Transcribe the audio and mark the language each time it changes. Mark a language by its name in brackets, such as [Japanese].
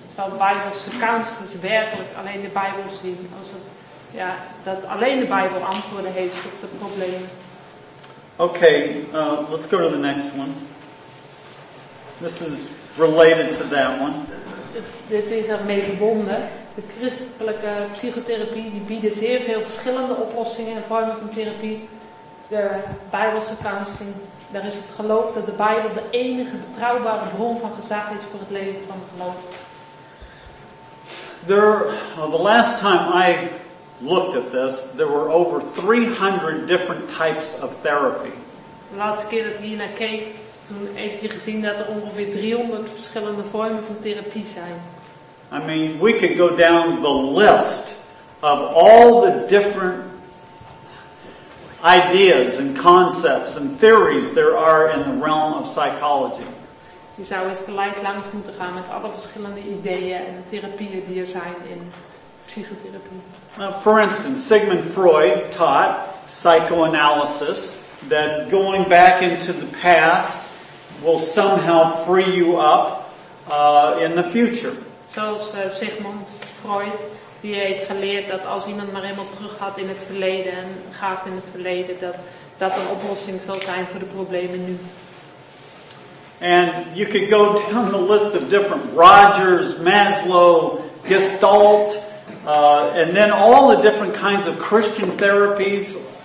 [Dutch] Terwijl Bijbelse counselors werkelijk alleen de Bijbel zien, alsof ja, dat alleen de Bijbel antwoorden heeft op de problemen. [English] Okay, let's go to the next one. This is related to that one. [Dutch] Dit is ermee verbonden. De christelijke psychotherapie die biedt zeer veel verschillende oplossingen en vormen van therapie. De Bijbelse counseling, daar is het geloof dat de Bijbel de enige betrouwbare bron van gezag is voor het leven van het geloof. [English] The last time I looked at this, there were over 300 different types of therapy. [Dutch] De laatste keer dat hij hier naar keek, toen heeft hij gezien dat er ongeveer 300 verschillende vormen van therapie zijn. [English] I mean, we could go down the list of all the different ideas and concepts and theories there are in the realm of psychology. [Dutch] Je zou eens de lijst langs moeten gaan met alle verschillende ideeën en therapieën die er zijn in psychotherapie. [English] Now, for instance, Sigmund Freud taught psychoanalysis, that going back into the past will somehow free you up in the future. [Dutch] Zoals Sigmund Freud, die heeft geleerd dat als iemand maar eenmaal teruggaat in het verleden en gaat in het verleden, dat een oplossing zal zijn voor de problemen nu. [English] And you could go down the list of different Rogers, Maslow, Gestalt, and then all the different kinds of Christian therapies.